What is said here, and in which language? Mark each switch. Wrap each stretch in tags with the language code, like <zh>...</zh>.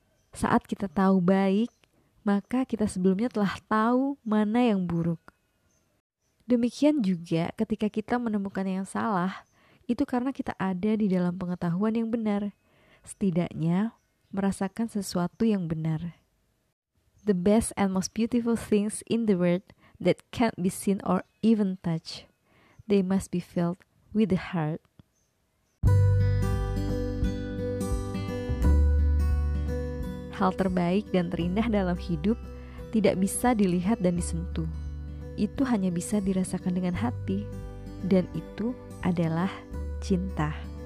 <id>Saat kita tahu baik, maka kita sebelumnya telah tahu mana yang buruk. Demikian juga ketika kita menemukan yang salah, itu karena kita ada di dalam pengetahuan yang benar, setidaknya merasakan sesuatu yang benar.</id> <en>The best and most beautiful things in the world that can't be seen or even touched, they must be felt with the heart.</en> <id>Hal terbaik dan terindah dalam hidup tidak bisa dilihat dan disentuh. Itu hanya bisa dirasakan dengan hati, dan itu adalah cinta.</id>